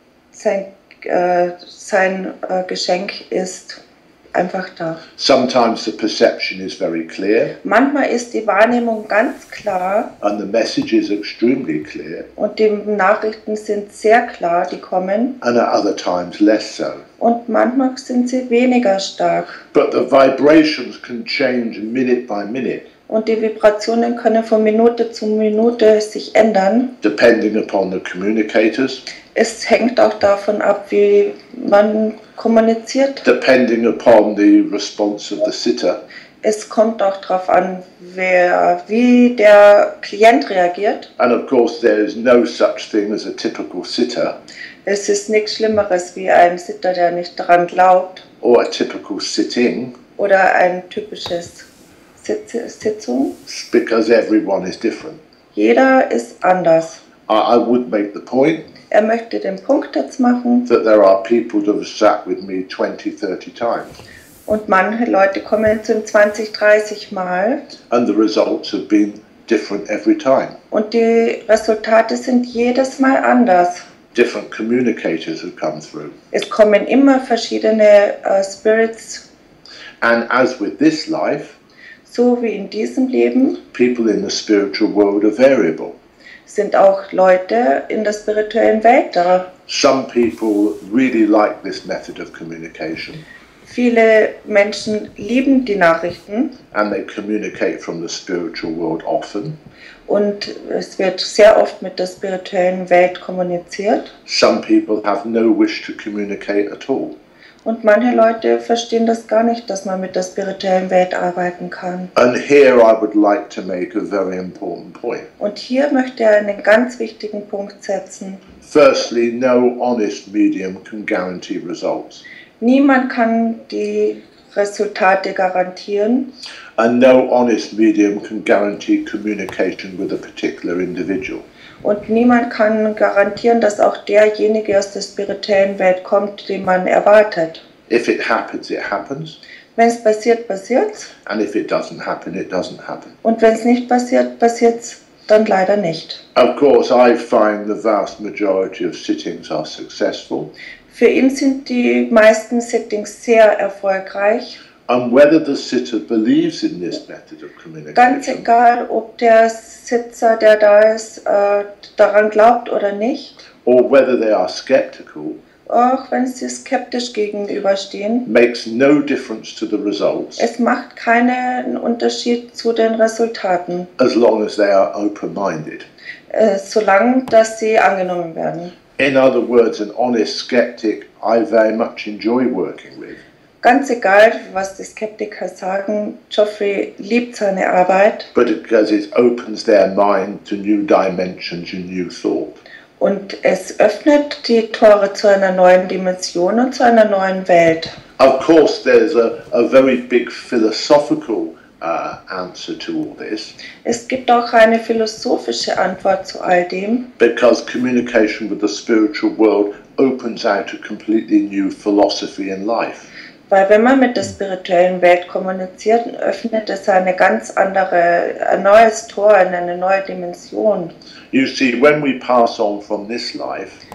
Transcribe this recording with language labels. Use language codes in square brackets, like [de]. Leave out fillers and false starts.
[de] Sein Geschenk ist einfach da. [en] Sometimes the perception is very clear. [de] Manchmal ist die Wahrnehmung ganz klar. [en] And the message is extremely clear. [de] Und die Nachrichten sind sehr klar, die kommen. [en] And at other times less so. [de] Und manchmal sind sie weniger stark. [en] But the vibrations can change minute by minute. [de] Und die Vibrationen können von Minute zu Minute sich ändern. [en] Depending upon the communicators. [de] Es hängt auch davon ab, wie man kommuniziert. [en] Depending upon the response of the sitter. [de] Es kommt auch darauf an, wie der Klient reagiert. [en] And of course there is no such thing as a typical sitter. [de] Es ist nichts Schlimmeres wie ein Sitter, der nicht daran glaubt. [en] Or a typical sitting. [de] Oder ein typisches Sitzung. [en] Because everyone is different. [de] Jeder ist anders. [en] I would make the point. [de] Er möchte den Punkt jetzt machen. [en] That there are people that have sat with me 20, 30 times. [de] Und manche Leute kommen zu 20, 30 Mal. [en] And the results have been different every time. [de] Und die Resultate sind jedes Mal anders. [en] Different communicators have come through. [de] Es kommen immer verschiedene Spirits. [en] And as with this life. [de] So wie in diesem Leben. [en] People in the spiritual world are variable. [de] Sind auch Leute in der spirituellen Welt da. [en] Some people really like this method of communication. [de] Viele Menschen lieben die Nachrichten. [en] And they communicate from the spiritual world often. [de] Und es wird sehr oft mit der spirituellen Welt kommuniziert. [en] Some people have no wish to communicate at all. [de] Und manche Leute verstehen das gar nicht, dass man mit der spirituellen Welt arbeiten kann. [en] And here I would like to make a very important point. [de] Und hier möchte er einen ganz wichtigen Punkt setzen. [en] Firstly, no honest medium can guarantee results. [de] Niemand kann die Resultate garantieren. [en] And no honest medium can guarantee communication with a particular individual. [de] Und niemand kann garantieren, dass auch derjenige aus der spirituellen Welt kommt, den man erwartet. [en] If it happens, it happens. [de] Wenn es passiert, passiert's. [en] And if it doesn't happen, it doesn't happen. [de] Und wenn es nicht passiert, passiert's dann leider nicht. [en] Of course, I find the vast majority of sittings are successful. [de] Für ihn sind die meisten Sittings sehr erfolgreich. [en] And whether the sitter believes in this method of communication. [de] Ganz egal, ob der Sitzer, der da ist, daran glaubt oder nicht. [en] Or whether they are skeptical. [de] Auch wenn sie skeptisch gegenüberstehen. [en] Makes no difference to the results. [de] Es macht keinen Unterschied zu den Resultaten. [en] As long as they are open-minded. [de] Solange, dass sie angenommen werden. [en] In other words, an honest skeptic I very much enjoy working with. [de] Ganz egal, was die Skeptiker sagen, Geoffrey liebt seine Arbeit. [en] But because it opens their mind to new dimensions and new thought. [de] Und es öffnet die Tore zu einer neuen Dimension und zu einer neuen Welt. [en] Of course, there's a very big philosophical answer to all this. [de] Es gibt auch eine philosophische Antwort zu all dem. [en] Because communication with the spiritual world opens out a completely new philosophy in life. [de] Weil wenn man mit der spirituellen Welt kommuniziert, öffnet es eine ganz andere, ein neues Tor in eine neue Dimension. [en] You see, when we pass on from this life,